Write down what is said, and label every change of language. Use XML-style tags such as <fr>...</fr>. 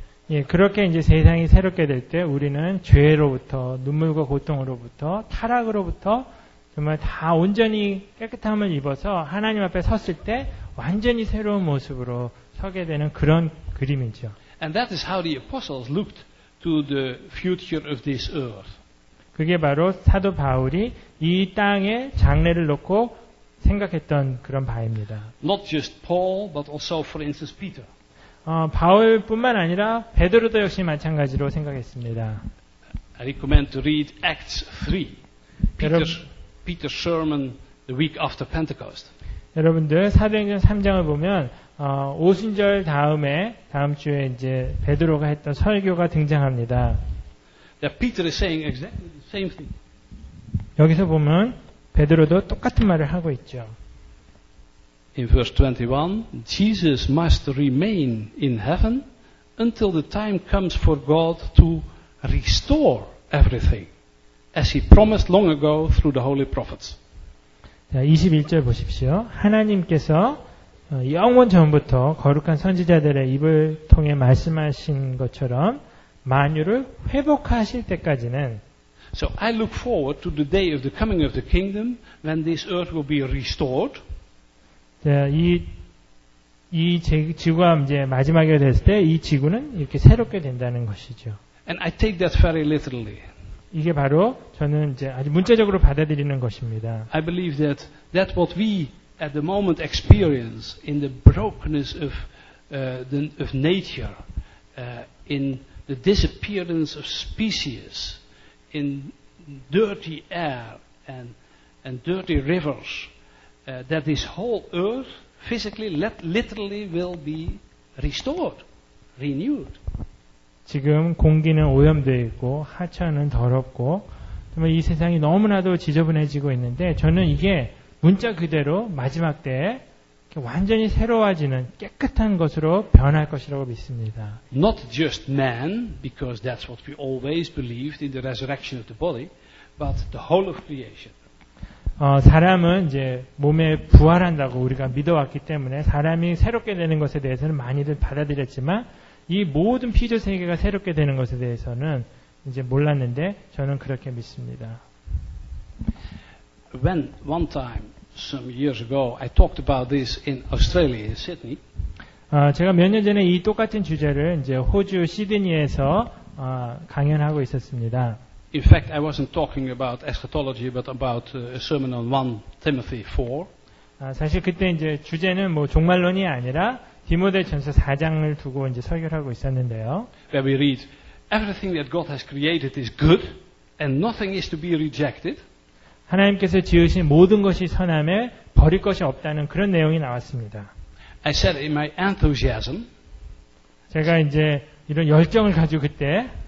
<ko>예, 그렇게 이제 세상이 새롭게 될 때 우리는 죄로부터, 눈물과 고통으로부터, 타락으로부터 정말 다 온전히 깨끗함을 입어서 하나님 앞에 섰을 때 완전히 새로운 모습으로 서게 되는 그런 그림이죠.</ko> <en>And that is how the apostles looked to the future of this earth.</en> <ko>그게 바로 사도 바울이 이 땅의 장래를 놓고 생각했던 그런 바입니다.</ko> <en>Not just Paul, but also for instance Peter.</en> <ko>바울뿐만 아니라 베드로도 역시 마찬가지로 생각했습니다.</ko> <en>I recommend to read Acts 3. Peter's sermon the week after Pentecost.</en> <ko>여러분들 사도행전 3장을 보면 오순절 다음에 다음 주에 이제 베드로가 했던 설교가 등장합니다.</ko> <en>That Peter is saying exactly the same thing.</en> <ko>여기서 보면 베드로도 똑같은 말을 하고 있죠.</ko> <en>In verse 21, Jesus must remain in heaven until the time comes for God to restore everything, as he promised long ago through the holy prophets.</en> <ko>자, 21절 보십시오. 하나님께서 영원 전부터 거룩한 선지자들의 입을 통해 말씀하신 것처럼 만유를 회복하실 때까지는</ko> <en>So I look forward to the day of the coming of the kingdom when this earth will be restored.</en> <ko>자, 이 지구가 이제 마지막이 됐을 때 이 지구는 이렇게 새롭게 된다는 것이죠.</ko> <en>And I take that very literally.</en> <ko>이게 바로 저는 이제 아주 문자적으로 받아들이는 것입니다.</ko> <en>I believe that that what we at the moment experience in the brokenness of of nature, in the disappearance of species, in dirty air and dirty rivers. That this whole earth physically, literally will be restored, renewed.</en> <ko>지금 공기는 오염되어 있고 하천은 더럽고 정말 이 세상이 너무나도 지저분해지고 있는데 저는 이게 문자 그대로 마지막 때에 완전히 새로워지는 깨끗한 것으로 변할 것이라고 믿습니다.</ko> <en>Not just man, because that's what we always believed in the resurrection of the body, but the whole of creation.</en> <ko>사람은 이제 몸에 부활한다고 우리가 믿어왔기 때문에 사람이 새롭게 되는 것에 대해서는 많이들 받아들였지만 이 모든 피조 세계가 새롭게 되는 것에 대해서는 이제 몰랐는데 저는 그렇게 믿습니다.</ko> <en>When one time some years ago I talked about this in Australia in Sydney.</en> <ko>제가 몇 년 전에 이 똑같은 주제를 이제 호주 시드니에서 강연하고 있었습니다.</ko> <en>In fact, I wasn't talking about eschatology but about a sermon on 1 Timothy 4.</en> <ko>사실 그때 이제 주제는 뭐 종말론이 아니라 디모데전서 4장을 두고 이제 설교를 하고 있었는데요.</ko> <en>Where we read everything that God has created is good and nothing is to be rejected.</en> <ko>하나님께서 지으신 모든 것이 선함에 버릴 것이 없다는 그런 내용이 나왔습니다.</ko> <en>I said in my enthusiasm,</en> <ko>제가 이제 이런 열정을 가지고 그때</ko>